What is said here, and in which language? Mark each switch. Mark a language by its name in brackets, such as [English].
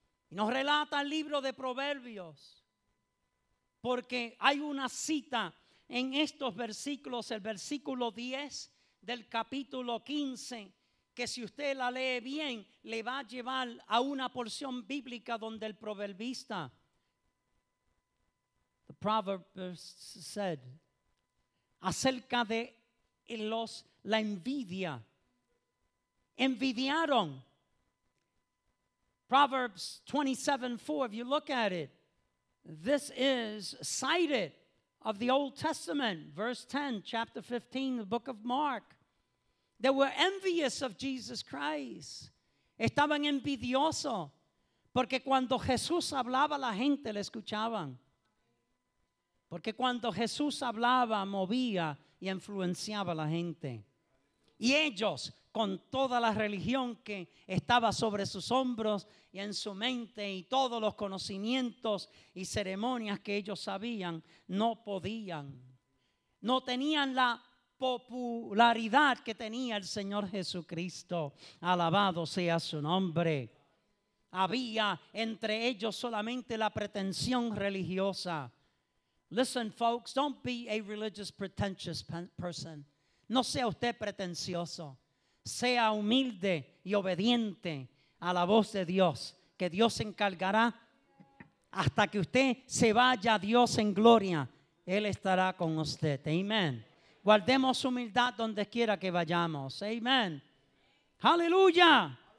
[Spanish] Y nos relata el libro de Proverbios, porque hay una cita en estos versículos, el versículo 10 del capítulo 15, que si usted la lee bien, le va a llevar a una porción bíblica donde el proverbista, [English] the proverbist said, [Spanish] acerca de la envidia, envidiaron. [English] Proverbs 27:4, if you look at it, this is cited of the Old Testament, verse 10, chapter 15, the book of Mark. They were envious of Jesus Christ. [Spanish] Estaban envidiosos, porque cuando Jesús hablaba, la gente le escuchaban. Porque cuando Jesús hablaba, movía y influenciaba a la gente. Y ellos, con toda la religión que estaba sobre sus hombros y en su mente y todos los conocimientos y ceremonias que ellos sabían, no podían. No tenían la popularidad que tenía el Señor Jesucristo. Alabado sea su nombre. Había entre ellos solamente la pretensión religiosa. [English] Listen, folks, don't be a religious pretentious person. [Spanish] No sea usted pretencioso. Sea humilde y obediente a la voz de Dios, que Dios se encargará. Hasta que usted se vaya a Dios en gloria, Él estará con usted. Amén. Guardemos humildad donde quiera que vayamos. Amén. Aleluya.